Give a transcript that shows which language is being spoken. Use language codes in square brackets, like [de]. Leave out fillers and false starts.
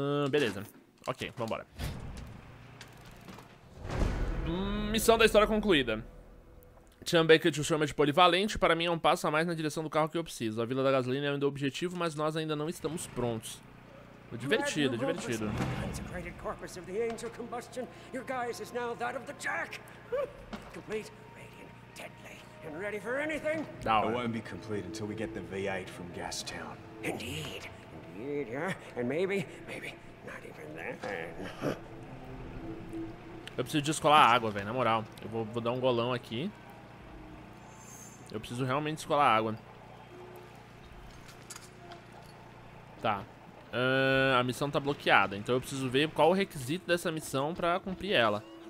[pt] Beleza. Ok, vambora. Missão da história concluída. Chan Baker te chama de polivalente. Para mim é um passo a mais na direção do carro que eu preciso. A Vila da Gasolina é ainda o objetivo, mas nós ainda não estamos prontos. Divertido, divertido. [en] Consecrated corpus of the angel combustion. Your guise is now that of the Jack. Complete, radiant, deadly, and ready for anything. No, it won't be complete until we get the V8 from Gastown. Indeed, indeed, yeah. And maybe, maybe not even then. [pt] Eu preciso descolar água, velho. Na moral, eu vou dar um golão aqui. Eu preciso realmente descolar água. Tá. A missão tá bloqueada, então eu preciso ver qual o requisito dessa missão pra cumprir ela.